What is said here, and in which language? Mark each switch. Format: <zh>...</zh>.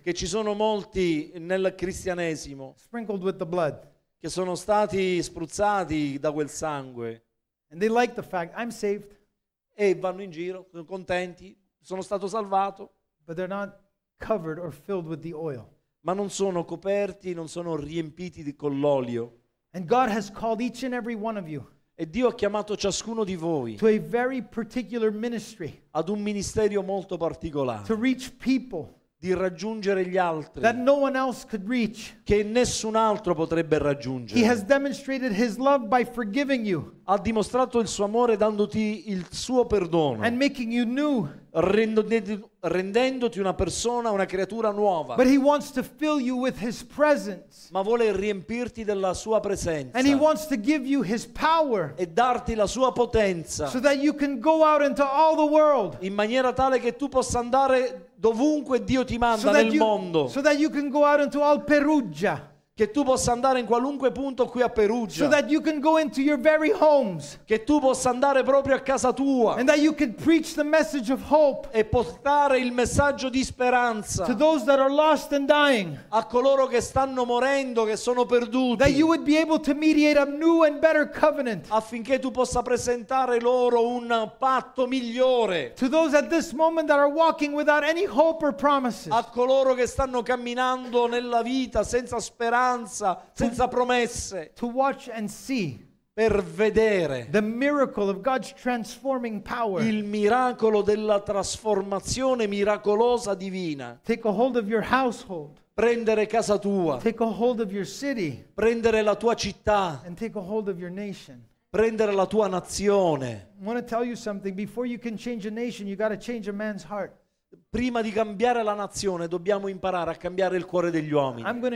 <it>che ci sono molti nel cristianesimo</it> <en>sprinkled with the blood,</en> <it>che sono stati spruzzati da quel sangue.</it> <en>And they like the fact I'm saved.</en> <it>E vanno in giro, sono contenti, sono stato salvato.</it> <en>But they're not covered or filled with the oil.</en> <it>Ma non sono coperti, non sono riempiti con l'olio.</it> <en>And God has called each and every one of you.</en> <it>E Dio ha chiamato ciascuno di voi.</it> <en>To a very particular ministry.</en> <it>Ad un ministerio molto particolare.</it> <en>To reach people.</en> <it>Di raggiungere gli altri.</it> <en>That no one else could reach.</en> <it>Che nessun altro potrebbe raggiungere.</it> <en>He has demonstrated His love by forgiving you.</en> <it>Ha dimostrato il suo amore dandoti il suo perdono.</it> <en>And making you new.</en> <it>Rendendoti una persona, una creatura nuova.</it> <en>But He wants to fill you with His presence.</en> <it>Ma vuole riempirti della sua presenza.</it> <en>And He wants to give you His power.</en> <it>E darti la sua potenza.</it> <en>So that you can go out into all the world.</en> <it>In maniera tale che tu possa andare dovunque Dio ti manda</it> <en>so that</en> <it>nel mondo.</it> <en>So that you can go out into all Perugia.</en> <it>Che tu possa andare in qualunque punto qui a Perugia.</it> <en>So that you can go into your very homes.</en> <it>Che tu possa andare proprio a casa tua.</it> <en>And that you can preach the message of hope.</en> <it>E portare il messaggio di speranza.</it> <en>To those that are lost and dying.</en> <it>A coloro che stanno morendo, che sono perduti.</it> <en>That you would be able to mediate a new and better covenant.</en> <it>Affinché tu possa presentare loro un patto migliore.</it> <en>To those at this moment that are walking without any hope or promises.</en> <it>A coloro che stanno camminando nella vita senza speranza. Senza promesse,</it> <en>to watch and see,</en> <it>per vedere</it> <en>the miracle of God's transforming power,</en> <it>il miracolo della trasformazione miracolosa divina.</it> <en>Take a hold of your household,</en> <it>prendere casa tua.</it> <en>Take a hold of your city,</en> <it>prendere la tua città.</it> <en>And take a hold of your nation,</en> <it>prendere la tua nazione.</it> <en>I want to tell you something. Before you can change a nation, you got to change a man's heart.</en> <it>Prima di cambiare la nazione dobbiamo imparare a cambiare il cuore degli uomini.</it>